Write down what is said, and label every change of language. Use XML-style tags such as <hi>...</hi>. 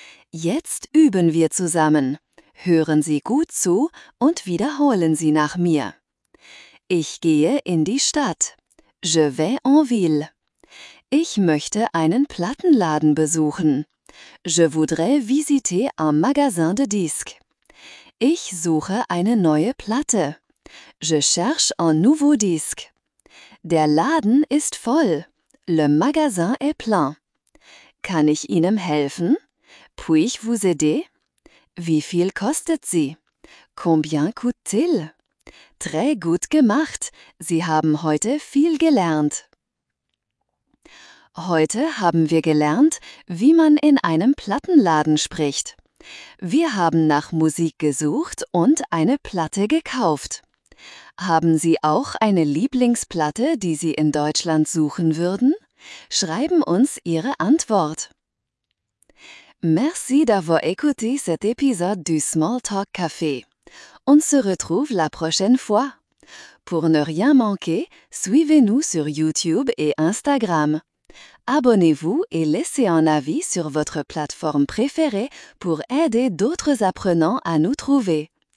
<de>Jetzt üben wir zusammen. Hören Sie gut zu und wiederholen Sie nach mir. Ich gehe in die Stadt.</de> <fr>Je vais en ville.</fr> <de>Ich möchte einen Plattenladen besuchen.</de> <fr>Je voudrais visiter un magasin de disques.</fr> <de>Ich suche eine neue Platte.</de> <fr>Je cherche un nouveau disque.</fr> <de>Der Laden ist voll.</de> <fr>Le magasin est plein.</fr> <de>Kann ich Ihnen helfen?</de> <fr>Puis-je vous aider?</fr> <de>Wie viel kostet sie?</de> <fr>Combien coûte-t-il?</fr> <de>Très gut gemacht. Sie haben heute viel gelernt. Heute haben wir gelernt, wie man in einem Plattenladen spricht. Wir haben nach Musik gesucht und eine Platte gekauft. Haben Sie auch eine Lieblingsplatte, die Sie in Deutschland suchen würden? Schreiben uns Ihre Antwort.</de> <fr>Merci d'avoir écouté cet épisode du Small Talk Café. On se retrouve la prochaine fois. Pour ne rien manquer, suivez-nous sur YouTube et Instagram. Abonnez-vous et laissez un avis sur votre plateforme préférée pour aider d'autres apprenants à nous trouver.</fr>